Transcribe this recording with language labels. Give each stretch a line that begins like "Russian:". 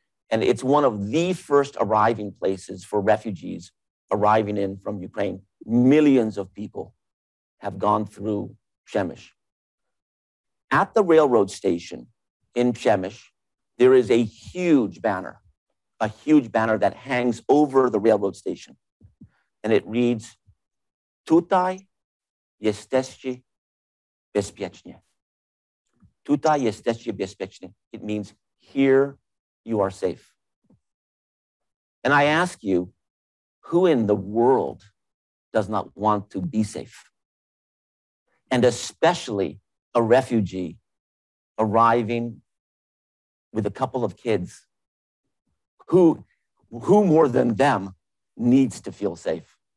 English: And it's one of the first arriving places for refugees arriving in from Ukraine. Millions of people have gone through Przemysl. At the railroad station in Przemysl, there is a huge banner that hangs over the railroad station. And it reads,
Polish: Tutaj jesteście bezpiecznie. Tutaj jesteście bezpiecznie.
English: It means here you are safe. And I ask you, who in the world does not want to be safe? And especially a refugee arriving with a couple of kids, who more than them needs to feel safe?